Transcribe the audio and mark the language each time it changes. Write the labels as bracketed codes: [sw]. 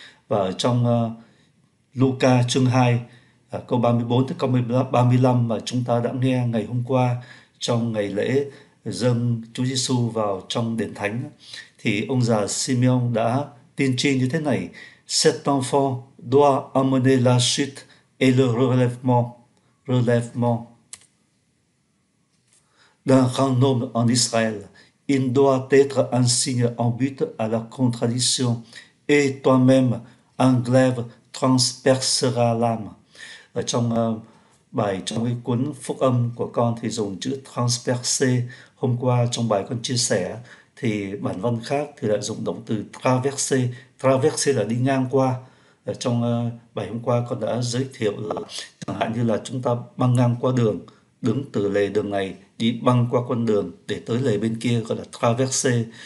[vi] Và ở trong Luca chương 2 câu 34 tới câu 35 mà chúng ta đã nghe ngày hôm qua trong ngày lễ dâng Chúa Giêsu vào trong đền thánh, thì ông già Simeon đã tiên tri như thế này: [fr] cet enfant doit amener la chute et le relèvement d'un grand nombre en Israël. Il doit être un signe en butte à la contradiction, et toi-même, un glaive transpercera l'âme. [vi] Ở trong bài, trong cái cuốn phúc âm của con thì dùng chữ transpercer. Hôm qua trong bài con chia sẻ thì bản văn khác thì lại dùng động từ traverser. Traverser là đi ngang qua. Ở trong bài hôm qua con đã giới thiệu là chẳng hạn như là chúng ta băng ngang qua đường, đứng từ lề đường này đi băng qua con đường để tới lề bên kia gọi là traverser.